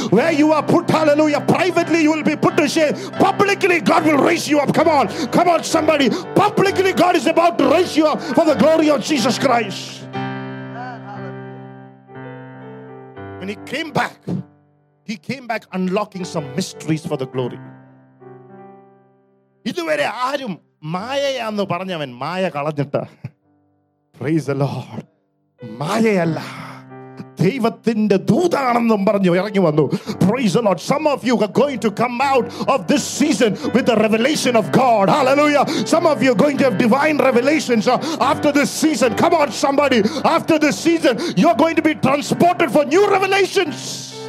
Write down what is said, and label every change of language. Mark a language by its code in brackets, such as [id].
[en] Where you are put, hallelujah, privately you will be put to shame. Publicly God will raise you up. Come on, come on, somebody. Publicly God is about to raise you up for the glory of Jesus Christ. When he came back, he came back unlocking some mysteries for the glory. [ml] ഇതുവരെ ആരും മായയാന്ന് പറഞ്ഞവൻ മായ കളഞ്ഞിട്ട. [en] Praise the Lord. [ml] മായയല്ല, ദൈവത്തിന്റെ ദൂതാണെന്നും പറഞ്ഞു ഇറങ്ങി വന്നു. [en] Praise the Lord. Some of you are going to come out of this season with the revelation of God. Hallelujah. Some of you are going to have divine revelations after this season. Come on, somebody. After this season, you are going to be transported for new revelations.